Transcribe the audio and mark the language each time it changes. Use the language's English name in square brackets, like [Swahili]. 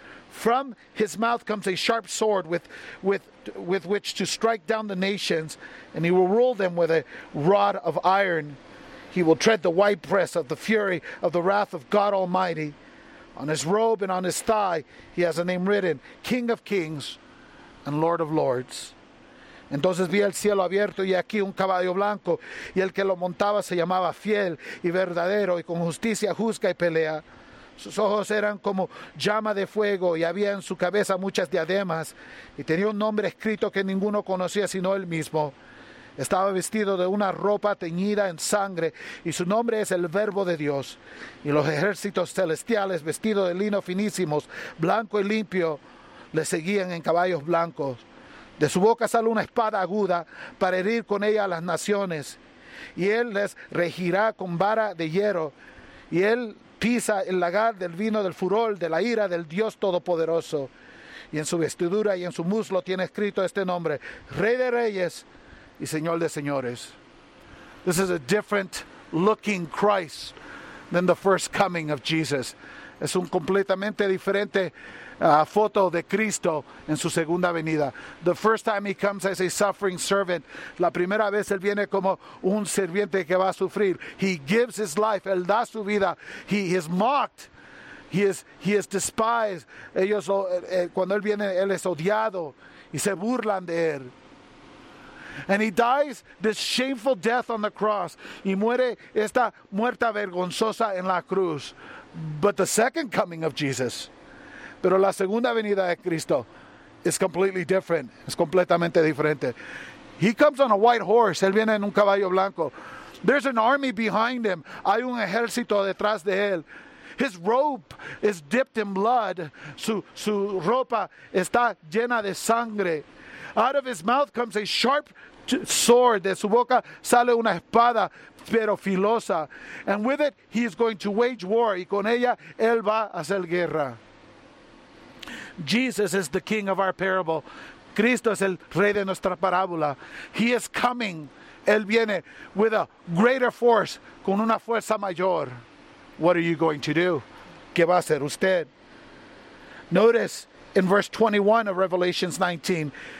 [English] From his mouth comes a sharp sword with which to strike down the nations, and he will rule them with a rod of iron. He will tread the winepress of the fury of the wrath of God Almighty. On his robe and on his thigh, he has a name written, King of Kings and Lord of Lords." [Spanish] Entonces vi el cielo abierto y aquí un caballo blanco, y el que lo montaba se llamaba Fiel y Verdadero, y con justicia juzga y pelea. Sus ojos eran como llama de fuego, y había en su cabeza muchas diademas, y tenía un nombre escrito que ninguno conocía sino él mismo. Estaba vestido de una ropa teñida en sangre, y su nombre es el Verbo de Dios. Y los ejércitos celestiales, vestidos de lino finísimo, blanco y limpio, le seguían en caballos blancos. De su boca sale una espada aguda para herir con ella a las naciones. Y él les regirá con vara de hierro. Y él pisa el lagar del vino del furor, de la ira del Dios Todopoderoso. Y en su vestidura y en su muslo tiene escrito este nombre: Rey de Reyes y Señor de Señores. [English] This is a different looking Christ than the first coming of Jesus. [Spanish] Es un completamente diferente foto de Cristo en su segunda venida. [English] The first time he comes as a suffering servant. [Spanish] La primera vez él viene como un sirviente que va a sufrir. [English] He gives his life. [Spanish] Él da su vida. [English] He is mocked. He is despised. [Spanish] Ellos, cuando él viene, él es odiado. Y se burlan de él. [English] And he dies this shameful death on the cross. [Spanish] Y muere esta muerta vergonzosa en la cruz. [English] But the second coming of Jesus, [Spanish] pero la segunda venida de Cristo, [English] is completely different. [Spanish] Es completamente diferente. [English] He comes on a white horse. [Spanish] Él viene en un caballo blanco. [English] There's an army behind him. [Spanish] Hay un ejército detrás de él. [English] His robe is dipped in blood. [Spanish] Su ropa está llena de sangre. [English] Out of his mouth comes a sharp sword. [Spanish] De su boca sale una espada, pero filosa. [English] And with it, he is going to wage war. [Spanish] Y con ella, él va a hacer guerra. [English] Jesus is the king of our parable. [Spanish] Cristo es el rey de nuestra parábola. [English] He is coming. [Spanish] Él viene [English] with a greater force, [Spanish] con una fuerza mayor. [English] What are you going to do? [Spanish] ¿Qué va a hacer usted? [English] Notice in verse 21 of Revelation 19.